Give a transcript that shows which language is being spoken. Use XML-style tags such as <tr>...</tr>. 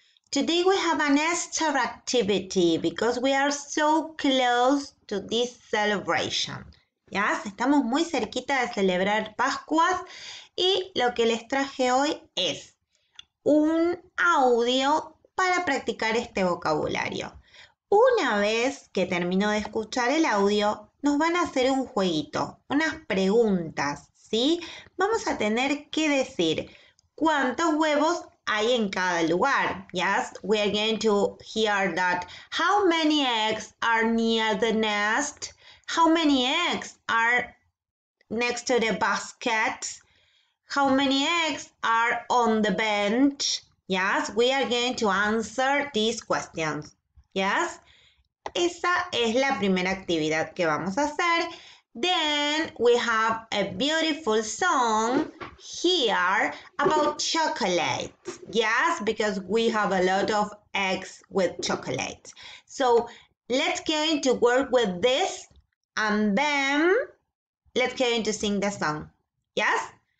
<en>Today we have an extra activity because we are so close to this celebration.</en> <es>¿Ya? Estamos muy cerquita de celebrar Pascuas y lo que les traje hoy es un audio para practicar este vocabulario. Una vez que termino de escuchar el audio, nos van a hacer un jueguito, unas preguntas, ¿sí? Vamos a tener que decir cuántos huevos hay en cada lugar.</es> <en>Yes, we are going to hear that. How many eggs are near the nest? How many eggs are next to the basket? How many eggs are on the bench? Yes, we are going to answer these questions.</en> <es>¿Ya? Esa es la primera actividad que vamos a hacer.</es> <en>Then we have a beautiful song here about chocolate. Yes, because we have a lot of eggs with chocolate. So let's going to work with this and then let's going to sing the song. Yes?</en>